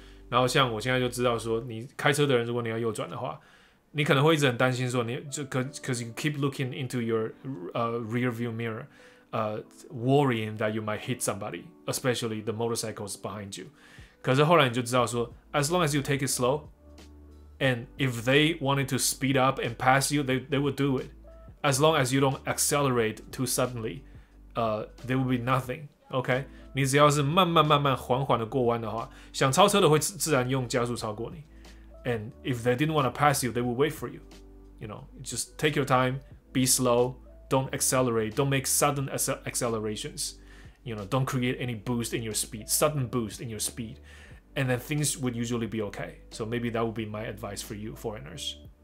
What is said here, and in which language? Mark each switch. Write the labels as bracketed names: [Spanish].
[Chinese] 然后像我现在就知道说，你开车的人，如果你要右转的话，你可能会一直很担心说，你就 [English] cause you keep looking into your rear view mirror, worrying that you might hit somebody, especially the motorcycles behind you. [Chinese] 可是后来你就知道说 [English] ，as long as you take it slow, and if they wanted to speed up and pass you, they would do it. As long as you don't accelerate too suddenly, there will be nothing. [Chinese] Okay, 你只要是慢慢慢慢缓缓的过弯的话，想超车的会自然用加速超过你。 [English] And if they didn't want to pass you, they would wait for you. You know, just take your time, be slow, don't accelerate, don't make sudden accelerations. You know, don't create any boost in your speed, sudden boost in your speed, and then things would usually be okay. So maybe that would be my advice for you foreigners.